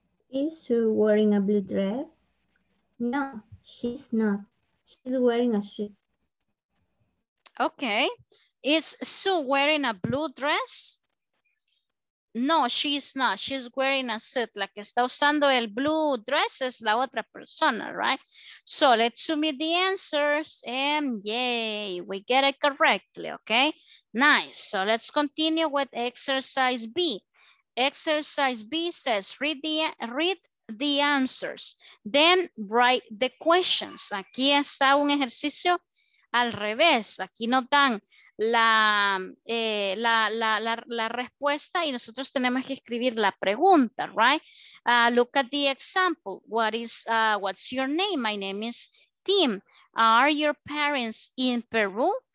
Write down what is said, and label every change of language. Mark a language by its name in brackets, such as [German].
[English] Is she wearing a blue dress? No, she's not. She's wearing a suit. Okay, is Sue wearing a blue dress? No, she's not. She's wearing a suit. [Spanish] La que está usando el blue dress es la otra persona, right? [English] So let's submit the answers and yay, we get it correctly, okay? Nice. So let's continue with exercise B. Exercise B says read the answers, then write the questions. [Spanish] Aquí está un ejercicio al revés. Aquí no tan la respuesta y nosotros tenemos que escribir la pregunta, right? [English] Look at the example. What's your name? My name is Tim. Are your parents in Peru?